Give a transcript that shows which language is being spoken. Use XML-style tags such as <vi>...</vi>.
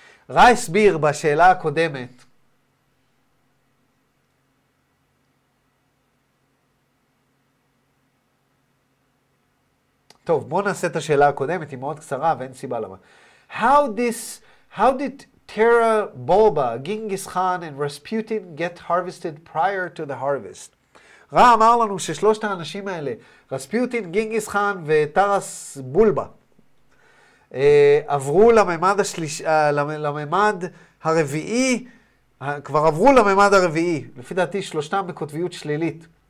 <he>ראי סביר בשאלה הקודמת. טוב, בוא נעשה את השאלה הקודמת, היא מאוד קצרה ואין סיבה למה.</he> <en>How did Terra Bulba, Genghis Khan and Rasputin get harvested prior to the harvest?</en> <he>רע אמר לנו ששלושת האנשים האלה, רספיוטין, גינגיס חאן וטרס בולבה, עברו לממד לממד הרביעי, כבר עברו לממד הרביעי, לפי דעתי שלושתם בכותביות שלילית.</he>